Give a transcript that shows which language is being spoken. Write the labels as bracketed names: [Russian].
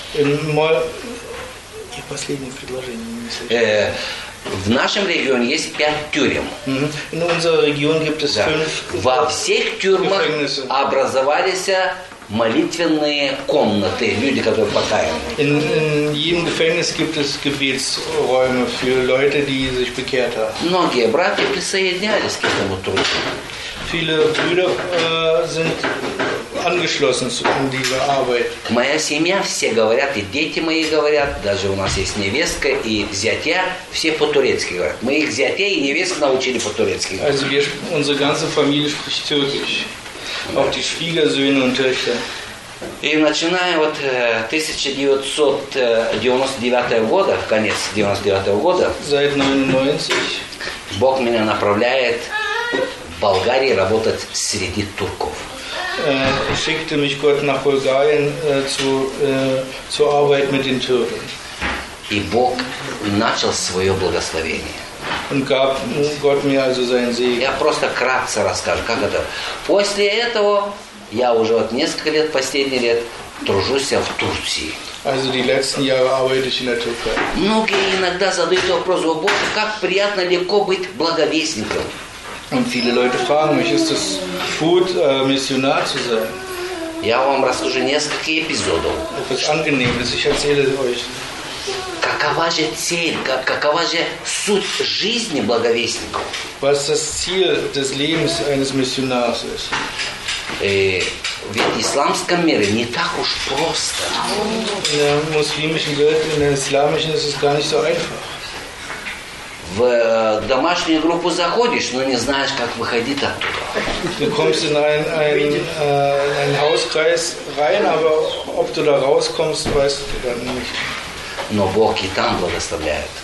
[Russian] Я последнее предложение не слышал. В нашем регионе есть 5 тюрем. [German] In unserer Region gibt es 5. [Russian] Во всех тюрьмах образовались молитвенные комнаты, люди, которые покаяны. [German] In jedem Gefängnis gibt es Gebetsräume für Leute, die sich bekehrt haben. [Russian] Многие братья присоединялись к этому труду. [German] Viele Brüder sind angeschlossen an diese Arbeit. [Russian] Моя семья, все говорят, и дети мои говорят, даже у нас есть невестка и зятья, все по-турецки говорят. Мы их зятья и невестка научили по-турецки. [German] Also unsere ganze Familie spricht Türkisch. Auch die Schwiegersöhne und Töchter. [Russian] И начиная вот 1999 года, конец 99 года, [German] seit 99, [Russian] Бог меня направляет в Болгарии работать среди турков. [German] Schickte mich Gott nach Bulgarien zu Arbeit mit den Türken. [Russian] И Бог начал свое благословение. [German] Und gab Gott mir also seinen Segen. [Russian] Я просто кратко расскажу, как это. После этого я уже вот несколько лет, последние лет, тружусь в Турции. [German] Also die letzten Jahre arbeite ich in der Türkei. [Russian] Многие иногда задают вопрос, о Боже, как приятно, легко быть благовестником. [German] Und viele Leute fragen mich, ist es gut, Missionar zu sein? [Russian] Я вам расскажу несколько эпизодов. [German] Es ist angenehm, dass ich erzähle euch. [Russian] Какова же цель, какова же суть жизни благовестников? [German] Was das Ziel des Lebens eines Missionars ist. [Russian] В исламском мире не так уж просто. [German] In der muslimischen Welt, in der islamischen, ist es gar nicht so einfach. [Russian] В домашнюю группу заходишь, но не знаешь, как выходить оттуда. [German] Du kommst in einen Hauskreis rein, aber ob du da rauskommst, weißt du dann nicht. [Russian] Но Бог и там благословляет.